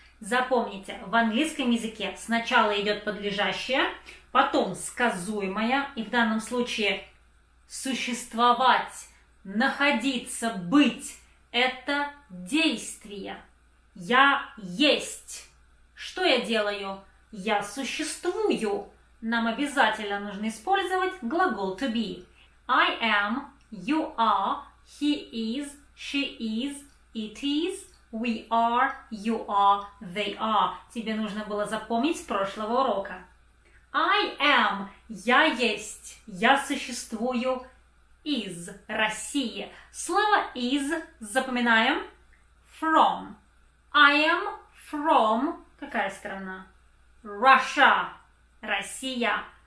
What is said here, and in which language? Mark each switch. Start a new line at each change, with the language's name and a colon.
Russian: Запомните, в английском языке сначала идет подлежащее, потом сказуемое, и в данном случае существовать, находиться, быть – это действие. Я есть. Что я делаю? Я существую. Нам обязательно нужно использовать глагол to be.
English: I am, you are, he is, she is, it is, we are, you are, they are.
Russian: Тебе нужно было запомнить с прошлого урока.
English: I am.
Russian: Я есть. Я существую. Из России. Слово is запоминаем. From.
English: I am from...
Russian: Какая страна? Russia. Россия.